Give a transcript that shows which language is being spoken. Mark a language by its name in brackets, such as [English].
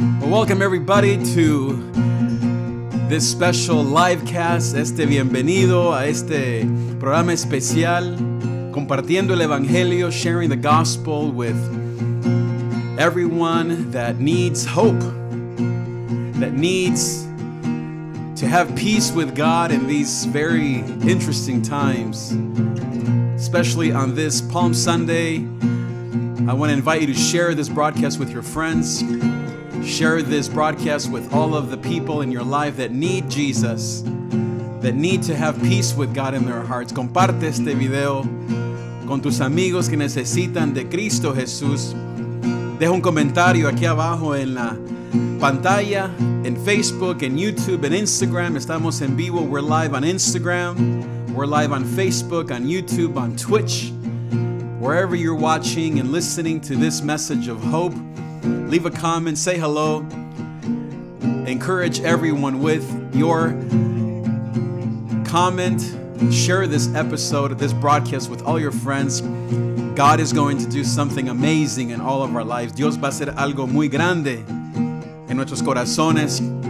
[English] Welcome everybody to this special live cast, [Spanish] este bienvenido a este programa especial, compartiendo el evangelio, [English] sharing the gospel with everyone that needs hope, that needs to have peace with God in these very interesting times, especially on this Palm Sunday. I want to invite you to share this broadcast with your friends. Share this broadcast with all of the people in your life that need Jesus, that need to have peace with God in their hearts. [Spanish] Comparte este video con tus amigos que necesitan de Cristo Jesús. Deja un comentario aquí abajo en la pantalla, en Facebook, en YouTube, en Instagram. Estamos en vivo. [English] We're live on Instagram. We're live on Facebook, on YouTube, on Twitch. Wherever you're watching and listening to this message of hope, leave a comment, say hello, encourage everyone with your comment, share this episode, this broadcast with all your friends. God is going to do something amazing in all of our lives. [Spanish] Dios va a hacer algo muy grande en nuestros corazones.